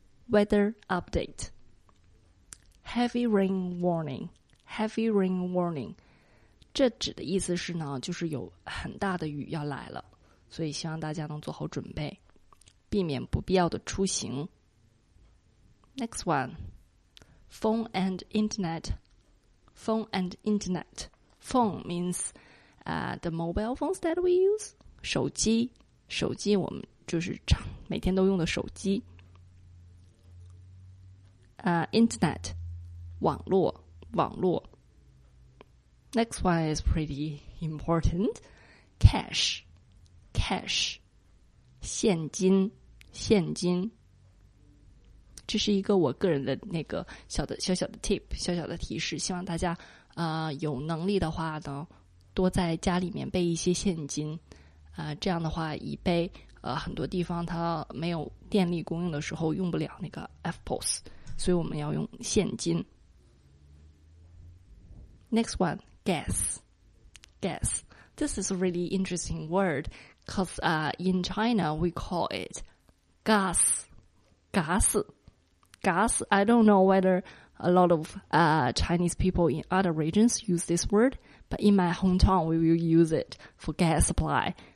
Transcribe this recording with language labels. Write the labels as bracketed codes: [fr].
[en] Weather update, Heavy rain warning, [zh] 这指的意思是呢，就是有很大的雨要来了，所以希望大家能做好准备，避免不必要的出行。 [en] Next one, Phone and Internet. Phone means the mobile phones that we use. [zh] 手机我们就是每天都用的手机。 [en] Internet, 网络。 Next one is pretty important. Cash, 现金。 [zh] 这是一个我个人的那个小的小小的 tip， 小小的提示，希望大家有能力的话呢，多在家里面备一些现金，这样的话以备很多地方它没有电力供应的时候用不了那个 FPOS， 所以我们要用现金。 [en] Next one, gas. Gas. This is a really interesting word, because in China we call it gas. Gas. Gas. I don't know whether a lot of Chinese people in other regions use this word, but in my hometown we will use it for gas supply.